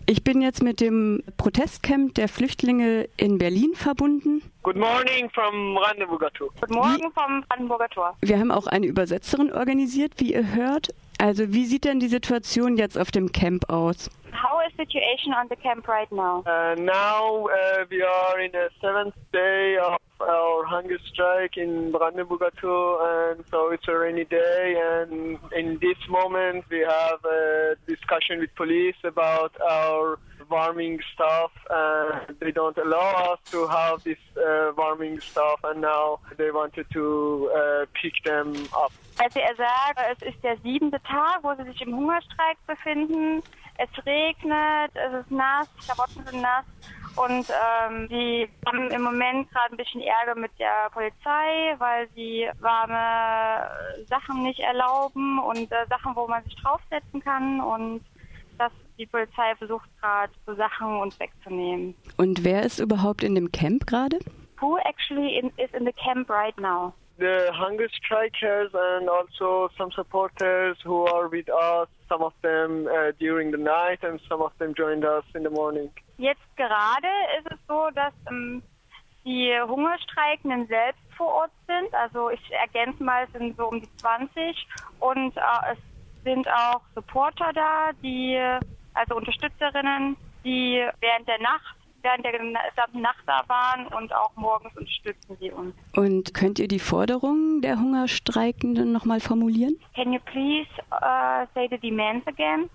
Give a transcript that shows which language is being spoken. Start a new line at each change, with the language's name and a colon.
German: Ich bin jetzt mit dem Protestcamp der Flüchtlinge in Berlin verbunden.
English: Good morning from Brandenburger Tor.
German: Guten Morgen vom Brandenburger Tor. Wir haben auch eine Übersetzerin organisiert, wie ihr hört. Also wie sieht denn die Situation jetzt auf dem Camp aus?
English: How is the situation on the camp right now? We are in the seventh day of our hunger strike in Brandenburger Tor, and so it's a rainy day. And in this moment, we have a discussion with police about our warming stuff, and they don't allow us to have this warming stuff, and now they wanted to pick them up.
German: Also er sagt, es ist der siebente Tag, wo sie sich im Hungerstreik befinden. Es regnet, es ist nass, die Klamotten sind nass und sie haben im Moment gerade ein bisschen Ärger mit der Polizei, weil sie warme Sachen nicht erlauben und Sachen, wo man sich draufsetzen kann, und dass die Polizei versucht gerade, so Sachen uns wegzunehmen. Und wer ist überhaupt in dem Camp gerade?
English: Who actually is in the camp right now? The hunger strikers and also some supporters who are with us, some of them during the night and some of them joined us in the morning.
German: Jetzt gerade ist es so, dass die Hungerstreikenden selbst vor Ort sind. Also ich ergänze mal, es sind so um die 20 und es sind auch Supporter da, die, also Unterstützerinnen, die während der Nacht, während der gesamten Nacht da waren, und auch morgens unterstützen sie uns. Und könnt ihr die Forderungen der Hungerstreikenden nochmal formulieren?
English: Can you please say the demands again?